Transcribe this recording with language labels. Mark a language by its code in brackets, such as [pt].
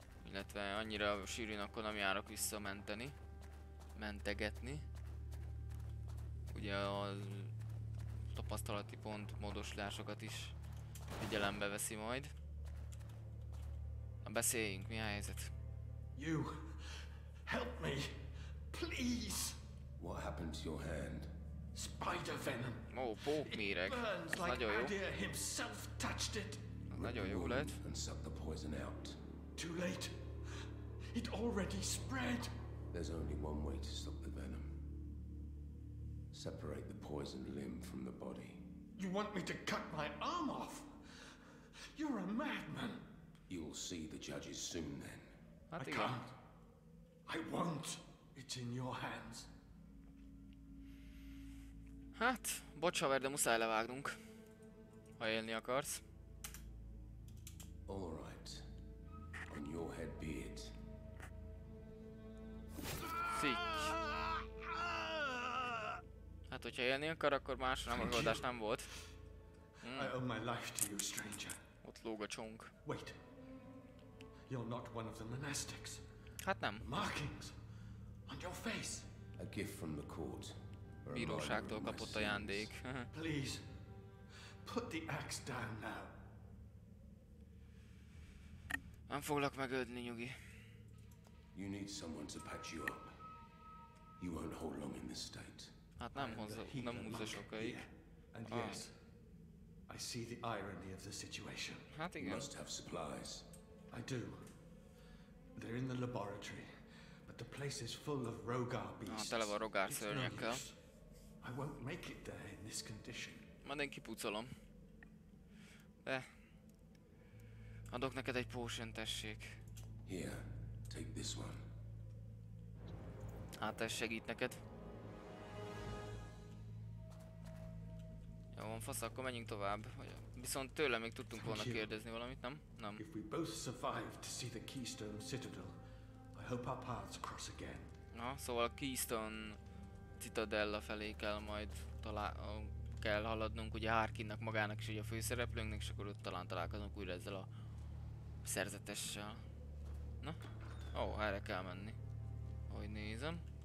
[hu] Illetve annyira sűrűn akkor nem járok visszamenteni. Mentegetni. Ugye az tapasztalati pont módosulásokat is figyelembe veszi majd. Na beszéljünk, mi a helyzet? [en] You! Help me! Please! What happened to your hand? Spider venom! [hu] Ó, pókméreg! Nagyon jó! [en] Himself touched it. [hu] Nagyon jó lett! [en] And sucked the poison out. Too late! It already spread! There's only one way to stop the venom. Separate the poison limb from the body. You want me to cut my arm off? You're a madman. You'll see the judges soon then. I can't. I won't. It's in your hands. [hu] Hát, bocs haver, de muszáj levágnunk. Ha élni akarsz. [en] All right. On your head be it. [hu] Fitch. Hát, hogyha élni akar, akkor másra megoldás nem volt. [en] I owe my life to you, stranger. [hu] Ott lóg a csónk. [en] Wait. You're not one of the monastics. [hu] Hát nem. [en] Markings on your face. A gift from the court. [hu] Bíróságtól kapott ajándék. [en] Please. Put the axe down now. [hu] Nem foglak megölni, nyugi. [en] You need someone to patch you up. You won't hold long in this state. [hu] Hát nem hozza, nem húzza sokáig. [en] And yes, I see the irony of the situation. [hu] Hát igen. [en] You must have supplies. I do. They're in the laboratory, but the place is full of rogar beasts. [hu] Tele van rogár szörnyekkel. [en] I won't make it there in this condition. [hu] Majd én kipucolom. De. Adok neked egy potion, tessék. [en] Here, take this one. [hu] Hát ez segít neked. Jó, van fasz, akkor menjünk tovább. Viszont tőle még tudtunk volna kérdezni valamit, nem? Nem. [en] If we both survive to see the Keystone Citadel, I hope our paths cross again. [hu] Na, szóval a Keystone Citadella felé kell majd kell haladnunk ugye Harkinnak magának is, ugye a főszereplőnknek, és akkor ott talán találkozunk újra ezzel a szerzetessel. Na? Ó, erre kell menni. Ahogy nézem.